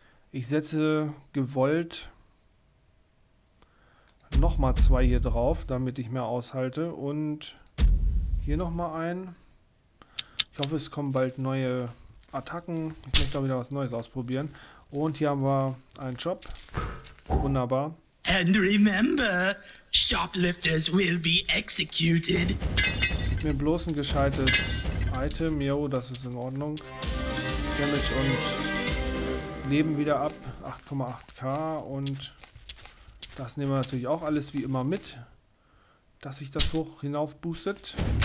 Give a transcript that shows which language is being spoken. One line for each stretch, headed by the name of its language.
German: Ich setze gewollt nochmal zwei hier drauf, damit ich mehr aushalte. Und hier nochmal ein. Ich hoffe, es kommen bald neue Attacken. Ich möchte auch wieder was Neues ausprobieren. Und hier haben wir einen Job. Wunderbar.
English: And remember, shoplifters will be executed.
German: Gib mir bloß ein gescheites Item. Jo, das ist in Ordnung. Damage und Leben wieder ab. 8,8k. Und das nehmen wir natürlich auch alles wie immer mit. Dass sich das hoch hinauf boostet.